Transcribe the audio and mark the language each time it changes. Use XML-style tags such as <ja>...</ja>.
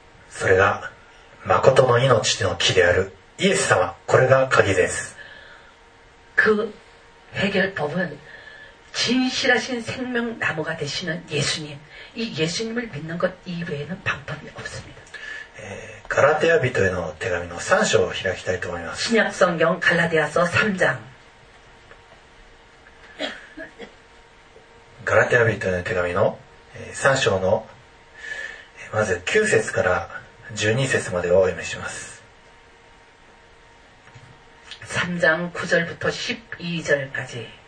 <ja>それが誠の命の木であるイエス様これが鍵です</ja> <ko>그해결법은진실하신생명나무가되시는예수님이예수님을믿는것이외에는방법이없습니다</ko> <ja>ガラテヤ人への手紙の3章を開きたいと思います</ja> <ko>신약성경갈라디아서3장</ko> <ja>ガラテヤ人への手紙の3章のまず9節から12節までをお読みします</ja> <ko>3章9절부터12절까지</ko>